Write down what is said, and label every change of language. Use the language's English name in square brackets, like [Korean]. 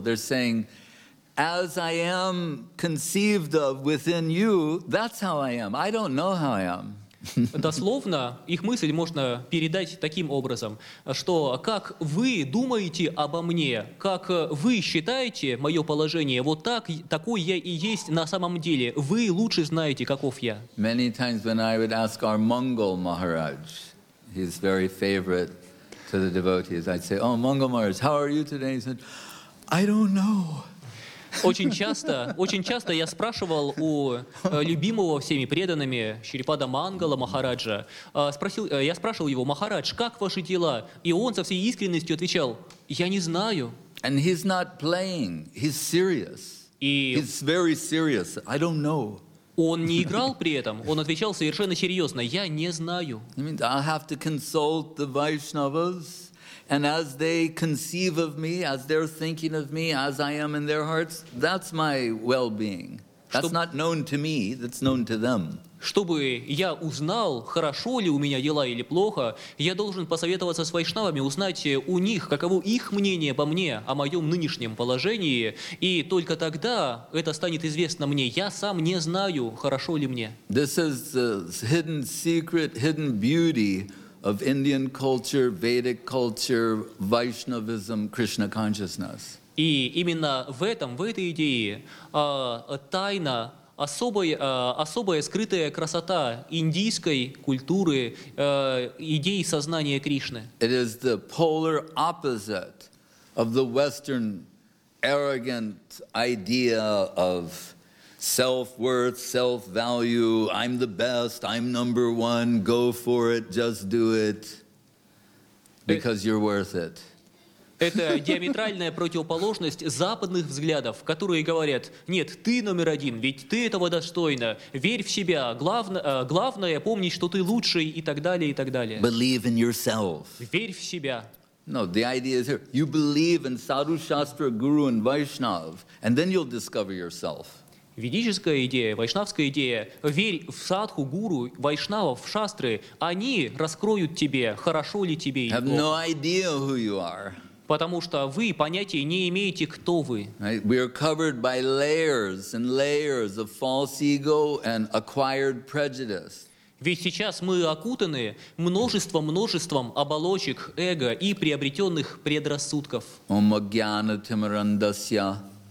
[English] They're saying, as I am conceived of within you, that's how I am. I don't know how I am. [Russian] Дословно их мысль можно передать таким образом, что как вы думаете обо мне, как вы считаете мое положение, вот так, такой я и есть на самом деле. Вы лучше знаете, каков я. [English] Many times when I would ask our Mongol Maharaj, he's very favorite to the devotees, I'd say, oh, Mongol Maharaj, how are you today? He said, I don't know. [Russian] Очень часто я спрашивал у любимого всеми преданными Шрипада Мангала Махараджа, я спрашивал его, Махарадж, как ваши дела? И он со всей искренностью отвечал, я не знаю. [English] And he's not playing, he's serious. He's very serious, I don't know. [Russian] Он не играл при этом, он отвечал совершенно серьезно, я не знаю. [English] I mean, I have to consult the Vaishnavas. And as they conceive of me, as they're thinking of me, as I am in their hearts, that's my well-being. That's not known to me, that's known to them. [Russian] Чтобы я узнал, хорошо ли у меня дела или плохо, я должен посоветоваться с вайшнавами, узнать у них, каково их мнение обо мне, о моем нынешнем положении, и только тогда это станет известно мне. Я сам не знаю, хорошо ли мне. [English] This is the hidden secret, hidden beauty of Indian culture, Vedic culture, Vaishnavism, Krishna consciousness. [Russian] И именно в этом, в этой идее, тайна, особая скрытая красота индийской культуры, идеи сознания Кришны. [English] It is the polar opposite of the Western arrogant idea of self-worth, self-value, I'm the best, I'm number one, go for it, just do it, because you're worth it. [Russian] Это диаметральная противоположность западных взглядов, которые говорят, нет, ты номер один, ведь ты этого достойна, верь в себя, главное помнить, что ты лучший, и так далее, и так далее. [English] Believe in yourself. [Russian] Верь в себя. [English] No, the idea is here, you believe in Sadhu Shastra, Guru and Vaishnav, and then you'll discover yourself. [Russian] Ведическая идея, вайшнавская идея, верь в садху, гуру, вайшнавов, в шастры, они раскроют тебе, хорошо ли тебе. [English] Have no idea who you are. [Russian] Потому что вы понятия не имеете, кто вы. [English] We are covered by layers and layers of false ego and acquired prejudice. [Russian] Ведь сейчас мы окутаны множеством оболочек эго и приобретенных предрассудков. [Sanskrit] Омагьяна тимарандасья.